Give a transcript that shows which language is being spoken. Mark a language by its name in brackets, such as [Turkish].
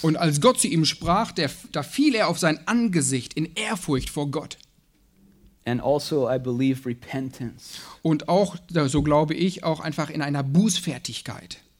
[German] Und als Gott zu ihm sprach, da fiel er auf sein Angesicht in Ehrfurcht vor Gott. [English] And also I believe repentance. [German] Und auch, so glaube ich, auch einfach in einer Bußfertigkeit.